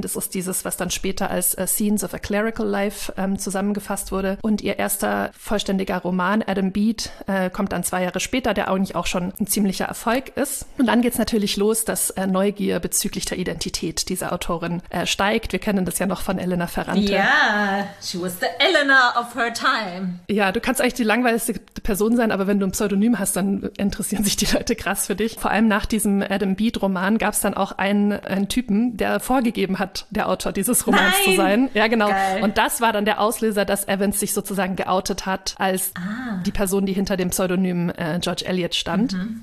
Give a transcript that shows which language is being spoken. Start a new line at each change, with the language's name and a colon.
German: Das ist dieses, was dann später als Scenes of a Clerical Life zusammengefasst wurde. Und ihr erster vollständiger Roman, Adam Bede, kommt dann zwei Jahre später, der eigentlich auch schon ein ziemlicher Erfolg ist. Und dann geht es natürlich los, dass Neugier bezüglich der Identität dieser Autorin steigt. Wir kennen das ja noch von Elena Ferrante.
English: Yeah, she was the Elena of her time.
German: Ja, du kannst eigentlich die langweiligste Person sein, aber wenn du ein Pseudonym hast, dann interessieren sich die Leute krass für dich. Vor allem nach diesem Adam Bede-Roman gab es dann auch einen Typen, der vorgegeben hat, der Autor dieses Romans zu sein. Ja, genau. Geil. Und das war dann der Auslöser, dass Evans sich sozusagen geoutet hat als die Person, die hinter dem Pseudonym George Eliot stand. Mhm.